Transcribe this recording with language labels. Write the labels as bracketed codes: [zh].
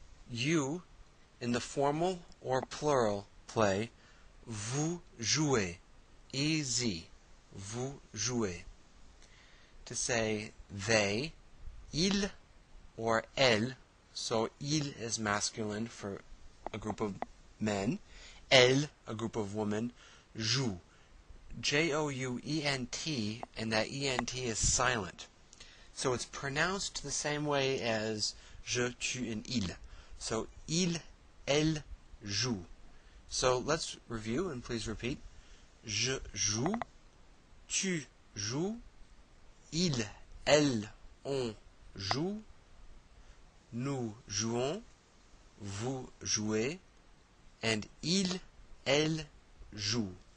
[en] You, in the formal or plural, play [fr] vous jouez, [en] E-Z, vous jouez. To say they, il or elle, so il is masculine for a group of men, elle, a group of women, joue, J-O-U-E-N-T, and that E-N-T is silent. So it's pronounced the same way as je, tu, and il. So [fr] il, elle, joue. [en] So let's review and please repeat. [fr] Je joue, tu joues, il, elle, on joue, nous jouons, vous jouez, [en] and [fr] il, elle, joue.